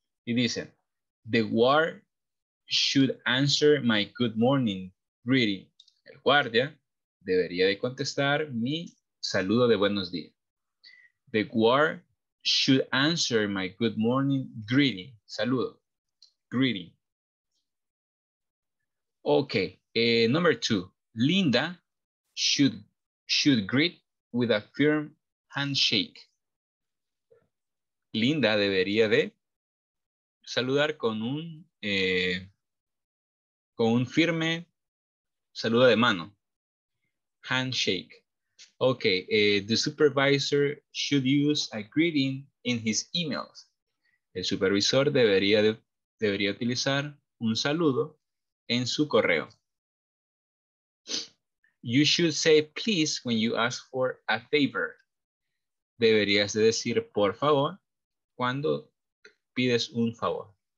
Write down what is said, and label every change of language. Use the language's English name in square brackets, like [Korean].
[Spanish] Y dicen, [English] the guard should answer my good morning greeting. [Spanish] El guardia debería de contestar mi saludo de buenos días. [English] The guard should answer my good morning greeting. [Spanish] Saludo. [English] Greeting. Okay. Number two, Linda should greet with a firm handshake. [Spanish] Linda debería de saludar con un firme saludo de mano. [English] Handshake. Okay, the supervisor should use a greeting in his emails. [Spanish] El supervisor debería utilizar un saludo en su correo. [English] You should say please when you ask for a favor. [Spanish] Deberías de decir por favor cuando pides un favor.